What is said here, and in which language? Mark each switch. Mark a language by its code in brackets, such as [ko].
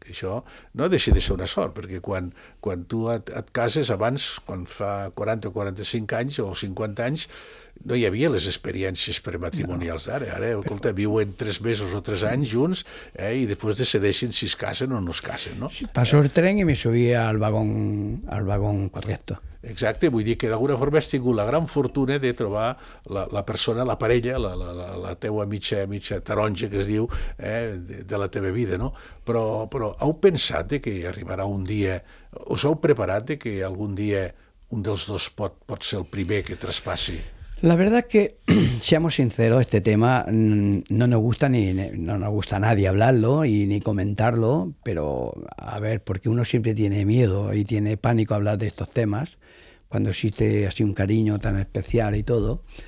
[ca] Això no deixa de ser una sort, perquè quan tu et cases abans, quan fa 40 o 45 anys o 50 anys, no hi havia les experiències prematrimonials d'ara. Ara, escolta, viuen 3 mesos o 3 anys junts i després decideixen si es casen o no es casen. No? Passo el tren [es] i me subia al vagón correcto. [ca] Exacte, vull dir que d'alguna forma has tingut la gran fortuna de trobar la persona, la parella, la teua mitja taronja, que es diu, de la teva vida, no? Però heu pensat de que arribarà un dia, us heu preparat de que algun dia un dels dos pot ser el primer que traspassi? [es] La verdad es que, seamos sinceros, este tema no nos gusta ni no nos gusta a nadie hablarlo y ni comentarlo, pero a ver, porque uno siempre tiene miedo y tiene pánico a hablar de estos temas, cuando existe así un cariño tan especial y todo,